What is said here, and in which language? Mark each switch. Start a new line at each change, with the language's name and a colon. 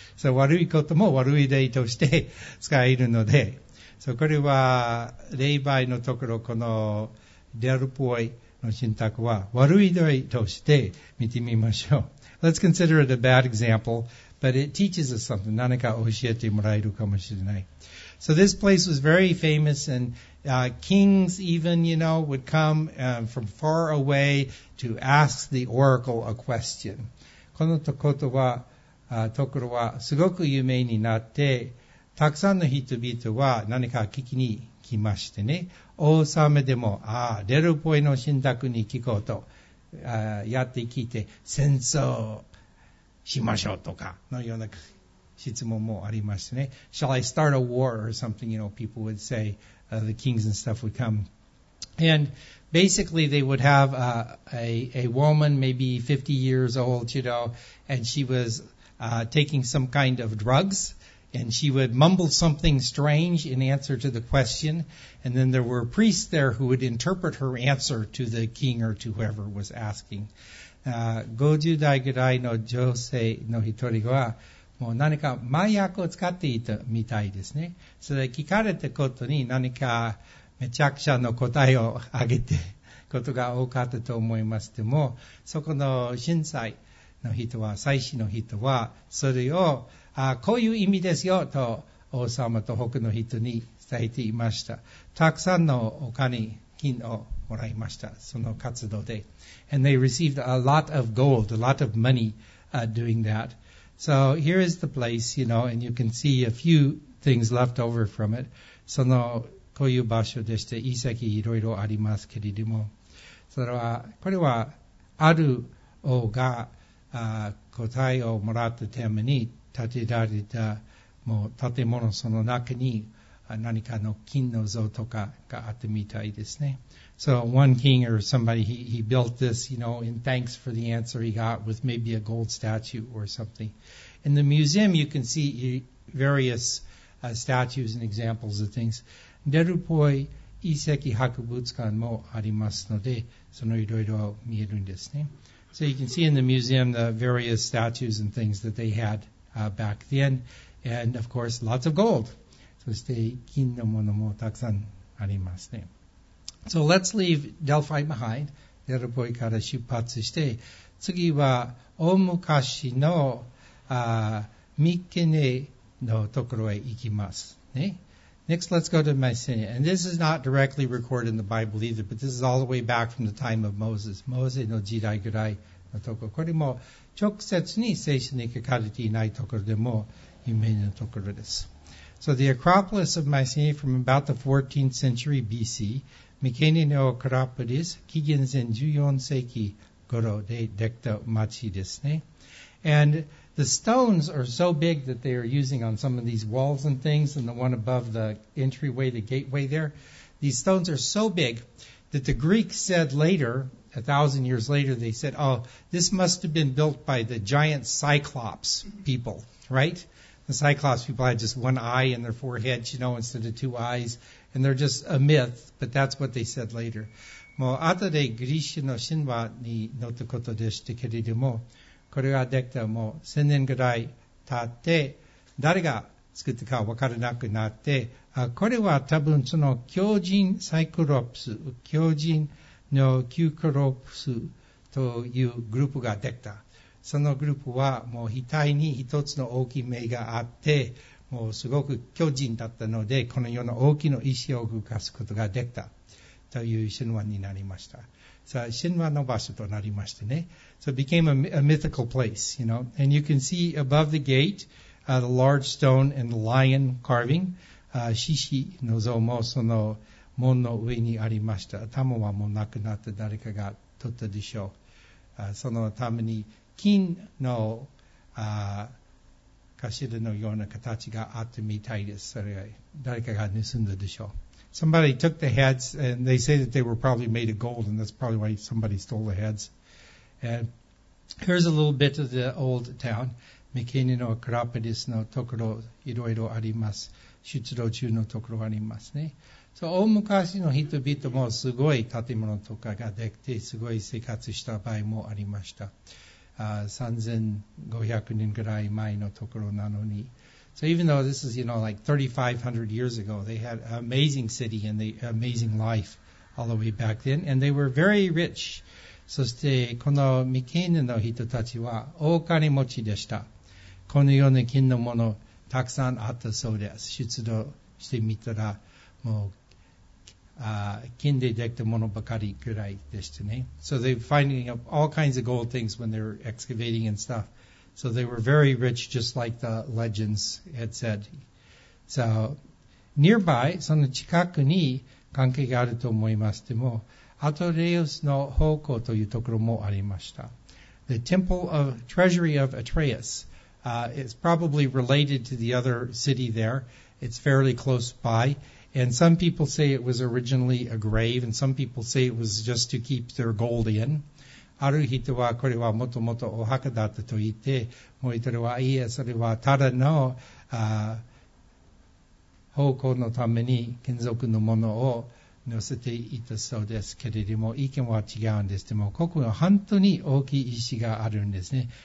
Japanese: そう、悪いことも悪い例として使えるので。そう、これは霊媒のところ、このデルポイの信託は悪い例として見てみましょう。
English: let's consider it a bad example, but it teaches us something.
Japanese: 何か教えてもらえるかもしれない。
English: So this place was very famous, and kings even, you know, would come from far away to ask the oracle a question.
Japanese: このことは、ところはすごく有名になって、たくさんの人々は何か聞きに来ましてね。王様でも、ああ、デルポイの信託に聞こうと、やって聞いて、戦争しましょうとか、のような質問もありましてね。
English: Shall I start a war or something, you know, people would say, the kings and stuff would come. And basically they would have a woman, maybe 50 years old, you know, and she was taking some kind of drugs. And she would mumble something strange in answer to the question. And then there were priests there who would interpret her answer to the king or to whoever was asking.
Japanese: 50代ぐらいの女性の一人は、もう何か麻薬を使っていたみたいですね。それ聞かれたことに何かめちゃくちゃの答えをあげてことが多かったと思いますけども、そこの審査の人は、祭司の人は、それをこういう意味ですよと王様と他の人に伝えていました。たくさんのお金金をもらいました、その活動で。
English: And they received a lot of gold, a lot of money doing that. So here is the place, you know, and you can see a few things left over from it.
Japanese: そのこういう場所でして、遺跡いろいろありますけれども、それはこれはある王が答えをもらったために建てられた、もう建物その中に何かの金の像とかがあったみたいですね。
English: So one king or somebody, he built this, you know, in thanks for the answer he got with maybe a gold statue or something. In the museum you can see various statues and examples of things.
Japanese: デルポイ遺跡博物館もありますので、そのいろいろ見えるんですね。
English: So you can see in the museum the various statues and things that they had back then, and of course lots of gold.
Japanese: そして金のものもたくさんありますね。
English: So let's leave Delphi behind.
Japanese: デルポイから出発して、次は大昔のミケネのところへ行きますね。
English: Next, let's go to Mycenae. And this is not directly recorded in the Bible either, but this is all the way back from the time of Moses.
Japanese: Moses の時代ぐらいのところ。これも直接に聖書に書かれていないところでも有名なところです。
English: So the Acropolis of Mycenae from about the 14th century BC,
Japanese: ミケネのアクロポリス、紀元前14世紀頃でできた町ですね。
English: And the stones are so big that they are using on some of these walls and things, and the one above the entryway, the gateway there. These stones are so big that the Greeks said later, 1,000 years later, they said, oh, this must have been built by the giant Cyclops people, right? The Cyclops people had just one eye in their forehead, you know, instead of two eyes. And they're just a myth, but that's what they said later.
Japanese: もう後でグリシの神話に載ったことでしたけれども、これができたもう1000年ぐらい経って、誰が作ったか分からなくなって、これは多分その狂人サイクロプス、狂人のキュークロプスというグループができた。そのグループはもう額に一つの大きい目があって、もうすごく狂人だったので、この世の大きな石を動かすことができたという神話になりました。神話の場所となりましてね。
English: So it became a mythical place, you know. And you can see above the gate, the large stone and the lion carving.
Japanese: 獅子の像もその門の上にありました。頭はもうなくなって誰かが取ったでしょう。そのために金の頭のような形があってみたいです。それは誰かが盗んだでしょう。
English: Somebody took the heads, and they say that they were probably made of gold, and that's probably why somebody stole the heads. And here's a little bit of the old town.
Japanese: ミケネのアクロポリスのところ、いろいろあります。出土中のところありますね。So, 大昔の人々もすごい建物とかができて、すごい生活した場合もありました。 3500年ぐらい前のところなのに、
English: So even though this is, you know, like 3,500 years ago, they had an amazing city and the amazing life all the way back then. And they were very rich.
Japanese: そしてこのミケーネの人たちは大金持ちでした。このような金のものたくさんあったそうです。出土してみたらもう金でできたものばかりぐらいでしたね。
English: So they were finding up all kinds of gold things when they were excavating and stuff. So they were very rich, just like the legends had said. So nearby,
Japanese: その近くに関係があると思います。でもアトレウスの宝庫というところもありました。
English: The temple of treasury of Atreus、is probably related to the other city there. It's fairly close by. And some people say it was originally a grave, and some people say it was just to keep their gold in.
Japanese: ある人はこれはもともとお墓だったと言って、もう一人はいや、それはただの宝庫のために金属のものを載せていたそうですけれども、意見は違うんです。でも、ここは本当に大きい石があるんですね。